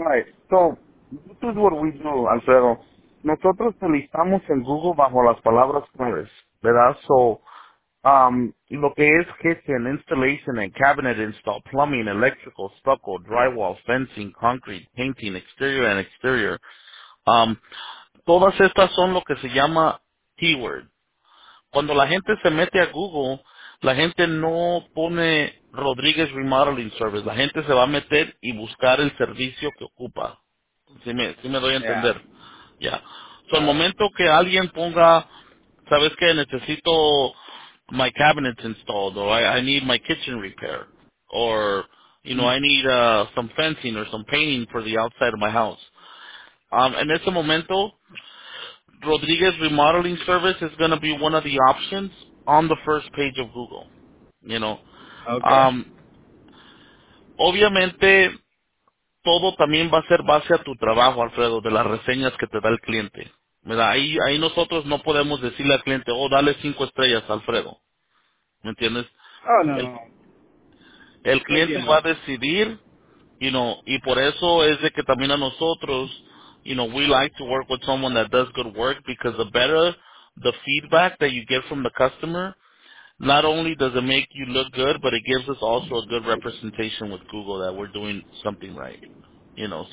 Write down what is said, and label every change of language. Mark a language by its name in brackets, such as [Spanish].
[English] Right. So, this is what we do, Alfredo. [Spanish] Nosotros utilizamos en Google bajo las palabras claves, ¿verdad? [English] So, [Spanish] lo que es [English] kitchen, installation, and cabinet install, plumbing, electrical, stucco, drywall, fencing, concrete, painting, exterior, and exterior. [Spanish] Todas estas son lo que se llama keyword. Cuando la gente se mete a Google, la gente no pone Rodríguez Remodeling Service. La gente se va a meter y buscar el servicio que ocupa. Si me doy a entender. Ya. So, el momento que alguien ponga, ¿sabes qué? Necesito [English] my cabinets installed, or I need my kitchen repair, or, you know, I need some fencing or some painting for the outside of my house. [Spanish] En ese momento, [English] Rodríguez Remodeling Service is going to be one of the options on the first page of Google, you know. Okay. [Spanish] Obviamente, todo también va a ser base a tu trabajo, Alfredo, de las reseñas que te da el cliente, ¿verdad? Ahí nosotros no podemos decirle al cliente, oh, dale 5 estrellas, Alfredo, ¿me entiendes? Oh, no. El cliente va a decidir, [English] you know, [Spanish] y por eso es de que también a nosotros, [English] you know, we like to work with someone that does good work, because the better the feedback that you get from the customer, not only does it make you look good, but it gives us also a good representation with Google that we're doing something right, you know.